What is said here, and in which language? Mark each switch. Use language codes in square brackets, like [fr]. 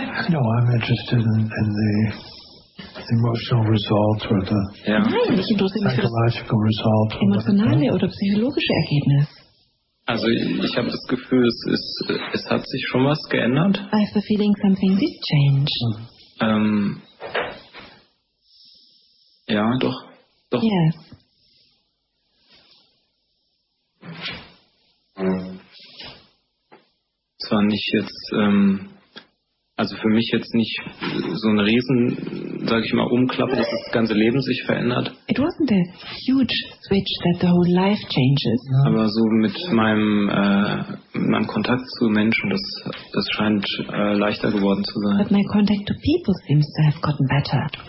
[en] No, I'm interested in the emotional result or the psychological result. [de] Emotionale oder psychologische Ergebnis. Also ich habe das Gefühl, es hat sich schon was geändert. [en] I have the feeling something did change. [de] Ja, doch. Doch. [en] Yes. [de] Zwar nicht jetzt, also für mich jetzt nicht so ein Riesen, sag ich mal, Umklappe, dass das ganze Leben sich verändert. [en] It wasn't a huge switch that the whole life changes. [de] Aber so mit meinem Kontakt zu Menschen, das scheint leichter geworden zu sein. [en] But my contact to people seems to have gotten better.